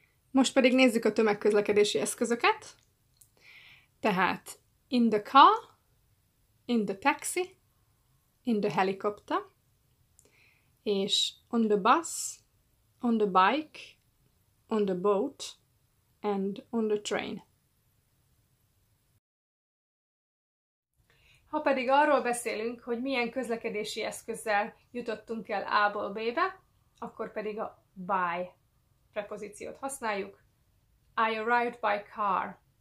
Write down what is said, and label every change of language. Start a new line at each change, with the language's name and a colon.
Hungarian: Most pedig nézzük a tömegközlekedési eszközöket. Tehát
English: in the car, in the taxi, in the helicopter,
Hungarian: és
English: on the bus, on the bike, on the boat, and on the train.
Hungarian: Ha pedig arról beszélünk, hogy milyen közlekedési eszközzel jutottunk el A-ból B-be, akkor pedig a by prepozíciót használjuk.
English: I arrived by car.